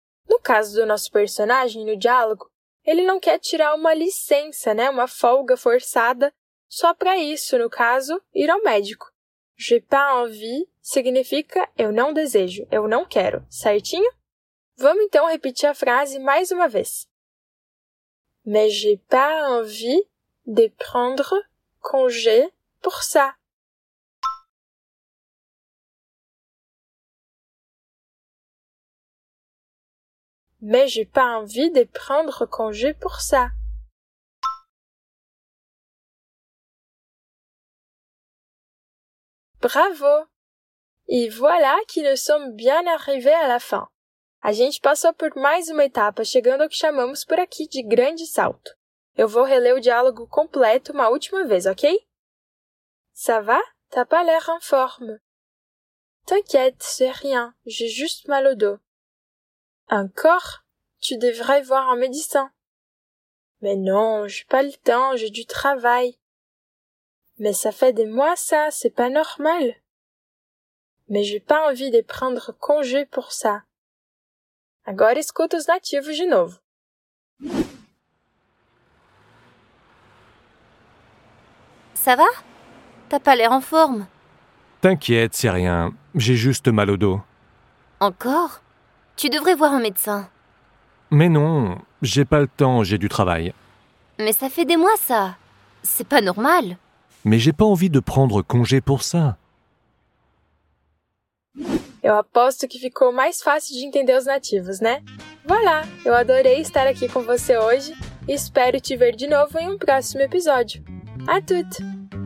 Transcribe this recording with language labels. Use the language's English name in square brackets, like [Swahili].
[Portuguese] No caso do nosso personagem, no diálogo, ele não quer tirar uma licença, né? Uma folga forçada, só para isso, no caso, ir ao médico. [French] J'ai pas envie [Portuguese] significa eu não desejo, eu não quero, certinho? Vamos então repetir a frase mais uma vez. [French] Mais j'ai pas envie de prendre congé pour ça. Mais j'ai pas envie de prendre congé pour ça. Bravo! E voilà que nous sommes bien arrivés à la fin. [Portuguese] A gente passou por mais uma etapa, chegando ao que chamamos por aqui de grande salto. Eu vou reler o diálogo completo uma última vez, ok? [French] Ça va? T'as pas l'air en forme. T'inquiète, c'est rien. J'ai juste mal au dos. Encore? Tu devrais voir un médecin. Mais non, j'ai pas le temps, j'ai du travail. Mais ça fait des mois ça, c'est pas normal. Mais j'ai pas envie de prendre congé pour ça. [Portuguese] Agora escuta os nativos de novo. [French] Ça va? T'as pas l'air en forme. T'inquiète, c'est rien. J'ai juste mal au dos. Encore? Tu devrais voir un médecin. Mais non, j'ai pas le temps, j'ai du travail. Mais ça fait des mois ça. C'est pas normal. Mais j'ai pas envie de prendre congé pour ça. [Portuguese] Eu aposto que ficou mais fácil de entender os nativos, né? Voilà, eu adorei estar aqui com você hoje e espero te ver de novo em um próximo episódio. [French] À toutes!